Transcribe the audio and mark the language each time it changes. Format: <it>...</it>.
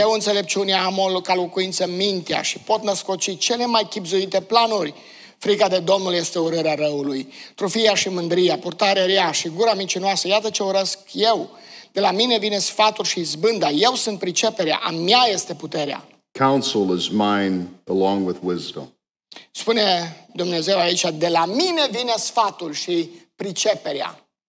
<ro>Eu înțelepciunea am o ca locuință mintea și pot născoci cele mai chipzuite planuri. Frica de Domnul este urârea răului. Trufia și mândria, purtare rea și gura mincinoasă, iată ce urăsc eu. De la mine vine sfatul și izbânda. Eu sunt priceperea, a mea este puterea.</ro> <en>Counsel is mine along with wisdom.</en> <ro>Spune Dumnezeu aici, de la mine vine sfatul și priceperea.</ro>